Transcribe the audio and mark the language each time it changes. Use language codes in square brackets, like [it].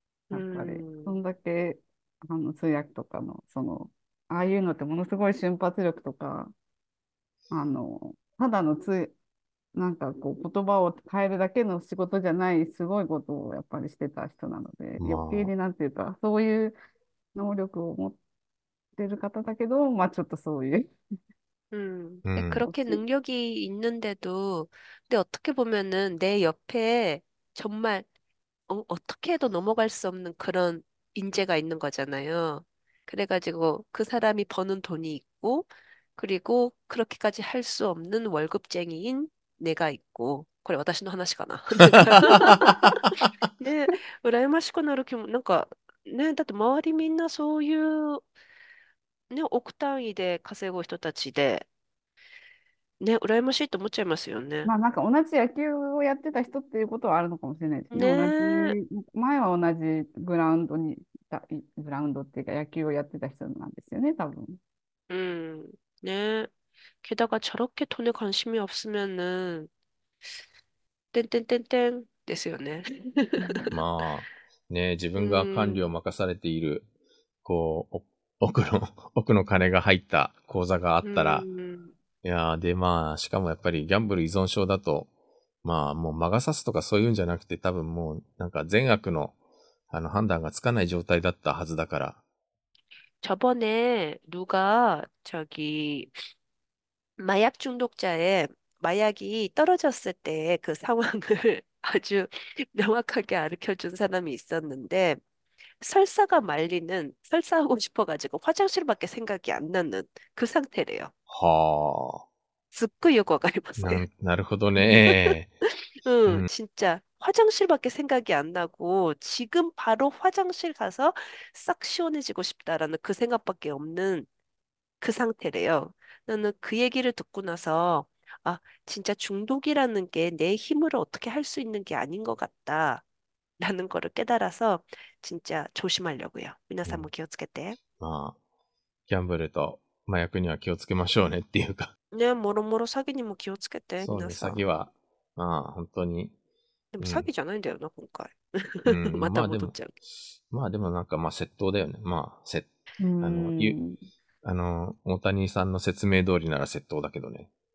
[ja] やっぱりそんだけ通訳とかのそのああいうのってものすごい瞬発力とか、ただのつなんかこう言葉を変えるだけの仕事じゃないすごいことをやっぱりしてた人なので、余計になんていうかそういう能力を持ってる方だけど、まあちょっとそういう。 [ko] 그렇게 능력이 있는데도, 근데 어떻게 보면은 내 옆에 정말 어떻게 해도 넘어갈 수 없는 그런 인재가 있는 거잖아요. 그래가지고 그 사람이 버는 돈이 있고, 그리고 그렇게까지 할수 없는 월급쟁이인 내가 있고, 그래, [ja] 私の話かな。ね、羨ましくなる気も、なんかね、だって周りみんなそういう、ね、億単位で稼ぐ人たちで、ね、羨ましいと思っちゃいますよね。まあ、なんか同じ野球をやってた人っていうことはあるのかもしれないですね。同じ、ね前は同じグラウンドにいた、グラウンドっていうか野球をやってた人なんですよね、多分。え。うん、ねえ。 [ko] 게다가 저렇게 돈에 관심이 없으면은 땡땡땡땡 [ja] ですよね。まあ、ね、自分が管理を任されている、こう、奥の金が入った口座があったら、いやで、まあ、しかもやっぱりギャンブル依存症だと、まあ、もう魔が差すとかそういうんじゃなくて、多分もう、なんか善悪の、判断がつかない状態だったはずだから。 [ko] 저번에 누가 저기 마약 중독자의 마약이 떨어졌을 때그 상황을 아주 명확하게 가르쳐준 사람이 있었는데, 설사가 말리는, 설사하고 싶어가지고 화장실밖에 생각이 안 나는 그 상태래요. [ja] はあ。すっごいよくわかりますね。なるほどね。 [ko] うん、진짜 화장실밖에 생각이 안 나고 지금 바로 화장실 가서 싹 시원해지고 싶다라는 그 생각밖에 없는 그 상태래요. 나는 그 얘기를 듣고 나서, 아, 진짜 중독이라는 게내 힘으로 어떻게 할수 있는 게 아닌 것 같다라는 거를 깨달아서 진짜 조심하려고요. [ja] 皆さんも気をつけて。まあ、ギャンブルと。麻薬には気をつけましょうねっていうかね、もろもろ詐欺にも気をつけ て、そう皆ね、さん。詐欺は、まあ、本当に、でも詐欺じゃないんだよな、今回。またまあ戻っも、ちゃまあでもなんか、まあ、窃盗だよね。まあ、せ、う。あの、ゆ、あの、大谷さんの説明通りなら窃盗だけどね。